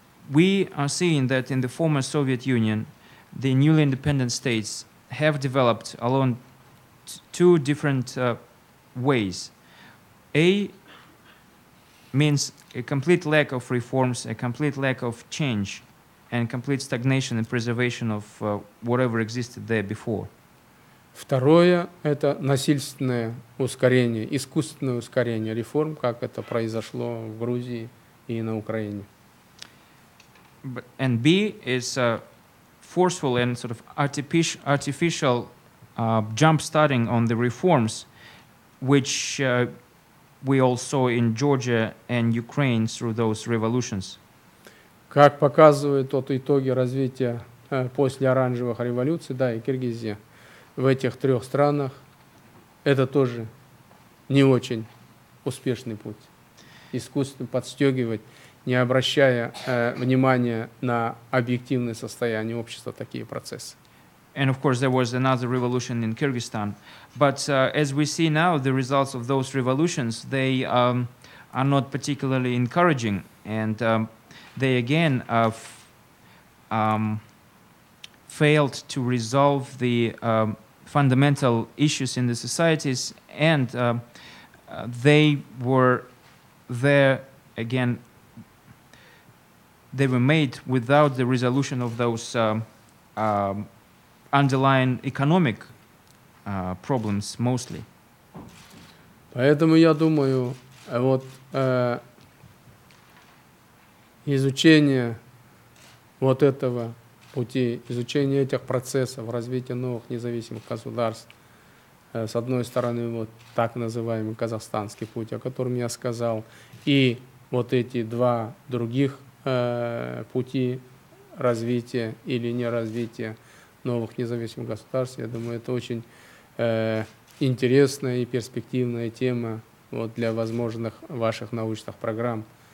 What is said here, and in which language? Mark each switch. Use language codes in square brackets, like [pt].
[en] We are seeing that in the former Soviet Union, the newly independent states have developed along two different ways. A means a complete lack of reforms, a complete lack of change, and complete stagnation and preservation of whatever existed there before. [ru] Второе – это насильственное ускорение, искусственное ускорение реформ, как это произошло в Грузии и на Украине. [en] And B is a forceful and sort of artificial jump-starting on the reforms, which we all saw in Georgia and Ukraine through those revolutions. [ru] Как показывают вот итоги развития после оранжевых революций, да, и Киргизии, в этих трех странах это тоже не очень успешный путь. Искусственно подстегивать, не обращая внимания на объективное состояние общества, такие процессы. [en] And of course there was another revolution in Kyrgyzstan. But as we see now, the results of those revolutions, they are not particularly encouraging. And they again failed to resolve the fundamental issues in the societies, and they were there again. They were made without the resolution of those underlying economic problems, mostly. [ru] Поэтому я думаю, вот изучение вот этого. Пути изучения этих процессов, развития новых независимых государств, с одной стороны, вот так называемый казахстанский путь, о котором я сказал, и вот эти два других пути развития или неразвития новых независимых государств, я думаю, это очень интересная и перспективная тема вот, для возможных ваших научных программ.